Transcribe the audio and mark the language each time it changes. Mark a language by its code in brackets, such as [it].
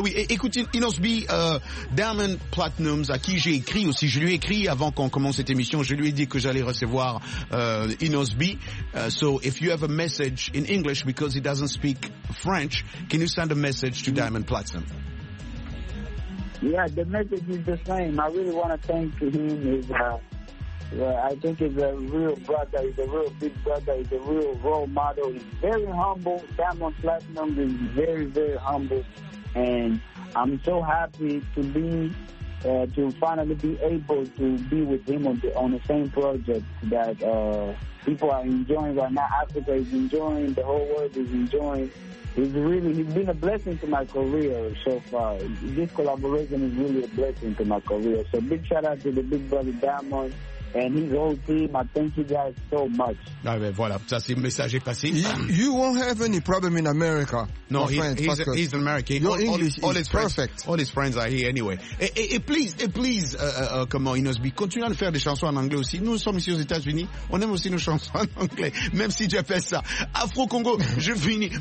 [fr] écoutez, Inosbi, Diamond Platinums, à qui j'ai écrit aussi, je lui ai écrit avant qu'on commence cette émission, je lui ai dit que j'allais recevoir Inosbi. [en] So if you have a message in English because he doesn't speak French, can you send a message to Diamond Platinum? Yeah, the message is the same. I really want to thank him. Yeah, I think he's a real brother. He's a real big brother. He's a real role model. He's very humble. Diamond Platinum is very, very humble. And I'm so happy to be, to finally be able to be with him on the same project that people are enjoying right now. Africa is enjoying. The whole world is enjoying. He's been a blessing to my career so far. This collaboration is really a blessing to my career. So big shout out to the big brother Diamond. And his whole team, I thank you guys so much. [fr] Ah, voilà, ça c'est le message est passé. [en] You won't have any problem in America. No, he's American. Your English is perfect. All his friends are here anyway. [fr] Et please, comment Inosby, continue à faire des chansons en anglais aussi. Nous sommes ici aux États-Unis, on aime aussi nos chansons en anglais, même si tu appelles ça Afro-Congo, je finis.